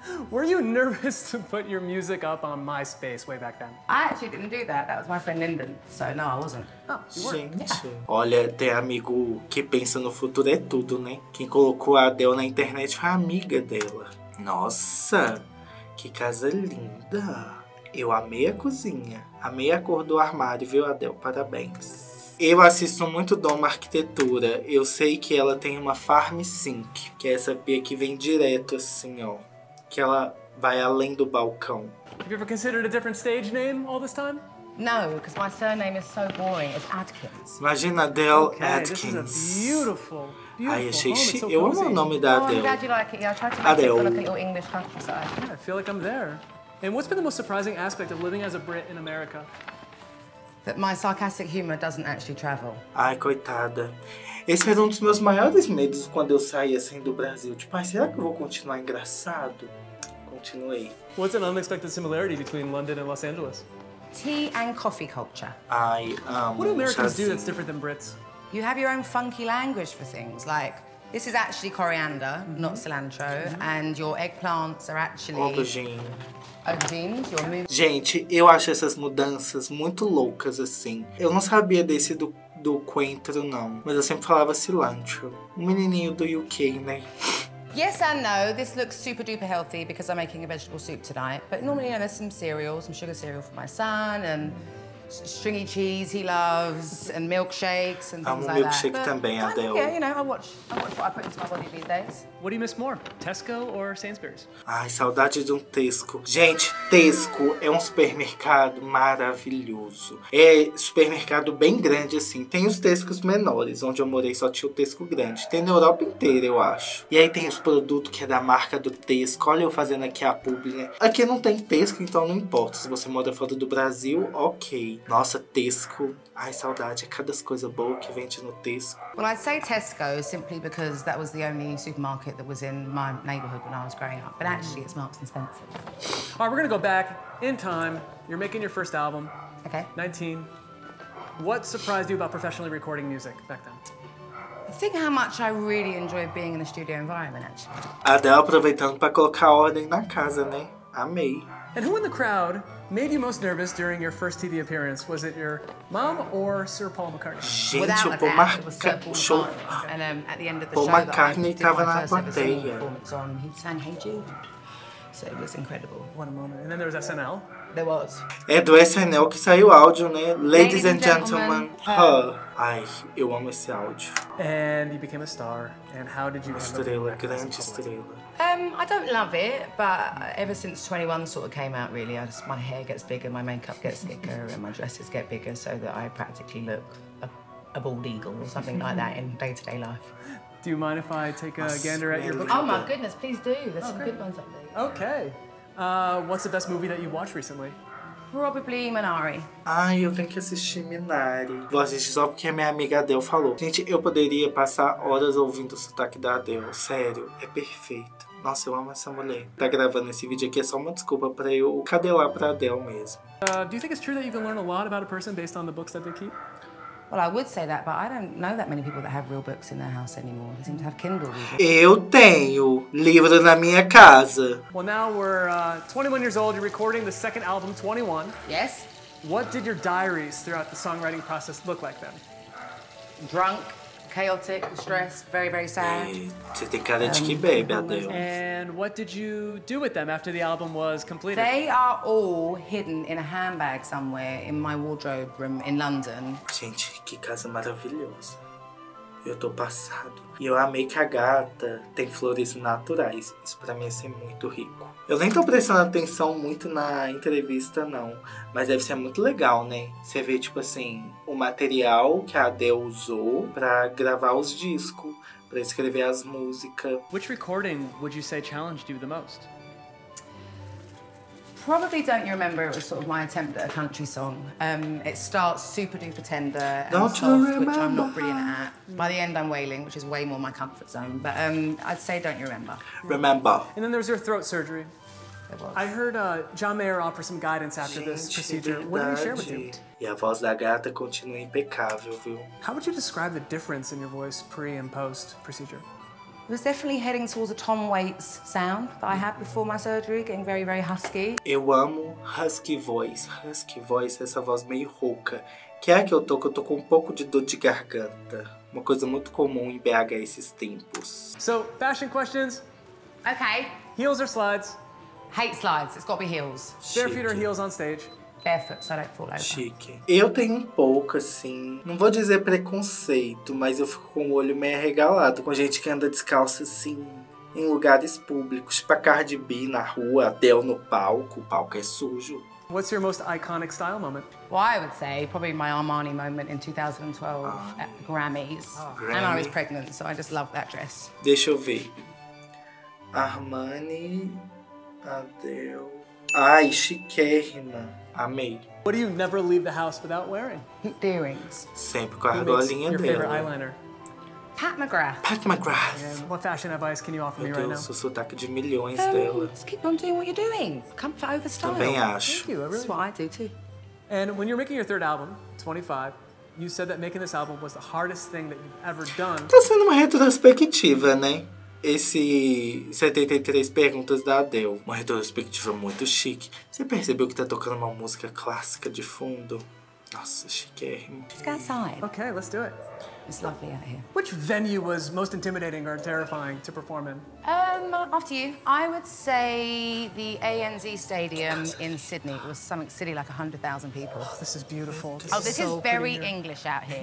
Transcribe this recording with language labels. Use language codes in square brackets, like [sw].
[en] Were you nervous to put your music up on MySpace way back then? I actually didn't do that. That was my friend Lyndon. So no, I wasn't. Oh, [pt] gente, yeah. Olha, ter amigo que pensa no futuro é tudo, né? Quem colocou a Adele na internet foi a amiga dela. Nossa, que casa linda. Eu amei a cozinha. Amei a cor do armário, viu, Adele? Parabéns. Eu assisto muito Dom Arquitetura. Eu sei que ela tem uma Farm Sync, que é essa pia que vem direto assim, ó. Que ela vai além do balcão. [en] Have you ever considered a different stage name all this time? No, because my surname is so boring. It's Atkins. [pt] Imagina Adele, okay, Atkins. [en] This is a beautiful, beautiful. [pt] Ai, achei chique. Eu amo o nome da Adele. [en] Oh, I'm glad you like it. Yeah, I tried to make Adele. It look at your English countryside. Yeah, I feel like I'm there. And what's been the most surprising aspect of living as a Brit in America? That my sarcastic humor doesn't actually travel. [pt] Ai, coitada. Esse era um dos meus maiores medos quando eu saí assim do Brasil. Tipo, ai, será que eu vou continuar engraçado? Continuei. [en] What's an unexpected similarity between London and Los Angeles? Tea and coffee culture. Ai, what do Americans do that's different than Brits? You have your own funky language for things, like this is actually coriander, mm-hmm. not cilantro, mm-hmm. and your eggplants are actually aubergine. Aubergine. [pt] Gente, eu acho essas mudanças muito loucas assim. Eu não sabia desse do coentro, não. Mas eu sempre falava cilantro. Um menininho do UK, né? [en] Yes and no. This looks super duper healthy because I'm making a vegetable soup tonight. But normally, you know, there's some cereal, some sugar cereal for my son, and stringy cheese he loves, and milkshakes and things like milkshake that. [pt] Também, [en] but, Adele. Yeah, you know, I watch what I put into my body these days. What do you miss more, Tesco or Sainsbury's? [pt] Ai, saudade de Tesco. Gente, Tesco é supermercado maravilhoso. É supermercado bem grande, assim. Tem os Tescos menores, onde eu morei só tinha o Tesco grande. Tem na Europa inteira, eu acho. E aí tem os produtos que é da marca do Tesco. Olha eu fazendo aqui a publi, né? Aqui não tem Tesco, então não importa. Se você mora fora do Brasil, ok. Nossa, Tesco. Ai, saudade. É cada coisa boa que vende no Tesco. [en] Well, I'd say Tesco simply because that was the only supermarket that was in my neighborhood when I was growing up. But actually, it's Marks and Spencer. All right, we're going to go back in time. You're making your first album. Okay. 19. What surprised you about professionally recording music back then? Think how much I really enjoy being in the studio environment, actually. [pt] Adele aproveitando para colocar ordem na casa, né? Amei. [en] And who in the crowd made you most nervous during your first TV appearance? Was it your mom or Sir Paul McCartney? [pt] Gente, [en] without [pt] o Paul McCartney, show. [en] And at the end of the Paul show, [pt] Paul McCartney estava na plateia. [en] He sang Hey Jude. So it was incredible. What a moment. And then there was SNL. There was. [pt] É do SNL que saiu o áudio, né? [en] Ladies and gentlemen, her. [pt] Ai, eu amo esse áudio. [en] And you became a star. And how did you handle it? [pt] Estrela, grande estrela. [en] I don't love it, but ever since 21 sort of came out, really, my hair gets bigger, my makeup gets thicker, and my dresses get bigger, so that I practically look a bald eagle or something like that in day-to-day life. Do you mind if I take a gander at your book? Oh my goodness, please do. There's some good ones up there. Okay. What's the best movie that you've watched recently? Probably Minari. [pt] Ai, eu tenho que assistir Minari. Vou assistir só porque a minha amiga Adele falou. Gente, eu poderia passar horas ouvindo o sotaque da Adele. Sério, é perfeito. Nossa, eu amo essa mulher. Tá gravando esse vídeo aqui é só uma desculpa pra eu cadelar pra Adele mesmo. [en] Do you think it's true that you can learn a lot about a person based on the books that they keep? Well, I would say that, but I don't know that many people that have real books in their house anymore. They seem to have Kindle. [pt] Eu tenho livro na minha casa. [en] Well, now we're 21 years old. You're recording the second album, 21. Yes. What did your diaries throughout the songwriting process look like then? Drunk, chaotic, stressed, very, very sad. [pt] Você tem cara de que bebe, Adele. [en] And what did you do with them after the album was completed? They are all hidden in a handbag somewhere in my wardrobe room in London. [pt] Gente, que casa maravilhosa. Eu tô passado. E eu amei que a gata tem flores naturais. Isso pra mim ia ser muito rico. Eu nem tô prestando atenção muito na entrevista, não. Mas deve ser muito legal, né? Você vê, tipo assim, o material que a Adele usou pra gravar os discos, pra escrever as músicas. [en] Which recording would you say challenged you the most? Probably don't you remember it was sort of my attempt at a country song. It starts super duper tender and don't soft, you remember? Which I'm not brilliant at. By the end I'm wailing, which is way more my comfort zone. But I'd say don't you remember. Remember. And then there's your throat surgery. It was. I heard John Mayer offer some guidance after [pt] Gente, [en] this procedure. What did he share with you? [pt] E a voz da gata continua impecável, viu? [en] How would you describe the difference in your voice pre and post procedure? It was definitely heading towards a Tom Waits sound that I had before my surgery, getting very, very husky. [pt] Eu amo husky voice. Husky voice, essa voz meio rouca. Que é a que eu tô com um pouco de dor de garganta. Uma coisa muito comum em BH esses tempos. [en] So, fashion questions. Okay. Heels or slides? Hate slides, it's gotta be heels. Chique. Barefoot or heels on stage? Barefoot, so I don't fall over. [pt] Chique. Eu tenho um pouco, assim, não vou dizer preconceito, mas eu fico com o olho meio arregalado com gente que anda descalça, assim, em lugares públicos, tipo a Cardi B na rua, Adele no palco, o palco é sujo. [en] What's your most iconic style moment? Well, I would say probably my Armani moment in 2012 at the Grammys. Oh. And I was pregnant, so I just love that dress. [pt] Deixa eu ver. Armani, Adele. Ai, chiquérrima. Amei. [en] What do you never leave the house without wearing? Earrings. [pt] Sempre com a argolinha dela. [en] Your favorite eyeliner? Pat McGrath. Pat McGrath. And what fashion advice can you offer me right now? [pt] Meu Deus, o sotaque de milhões dela. [en] Just keep on doing what you're doing. Comfort over style. [pt] Também acho. [en] Thank you, I really That's what I do too. And when you're making your third album, 25, you said that making this album was the hardest thing that you've ever done. [pt] Tá sendo uma retrospectiva, né? Esse 73 perguntas da Adele. Uma retrospectiva muito chique. Você percebeu que tá tocando uma música clássica de fundo? Nossa, chiquérrimo. [en] Let's go outside. Okay, let's do it. It's lovely out here. Which venue was most intimidating or terrifying to perform in? After you. I would say the ANZ Stadium in Sydney. It was some city like 100,000 people. Oh, this is beautiful. This is very English out here.